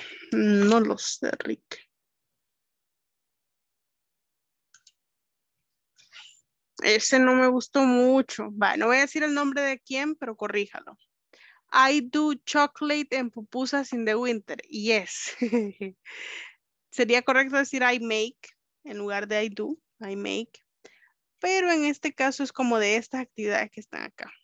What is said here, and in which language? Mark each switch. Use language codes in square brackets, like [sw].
[es] No lo sé, Rick. Ese no me gustó mucho. Va, no voy a decir el nombre de quién, pero corríjalo. [en] I do chocolate and pupusas in the winter. Yes. [es] Sería correcto decir I make en lugar de I do. I make. Pero en este caso es como de estas actividades que están acá.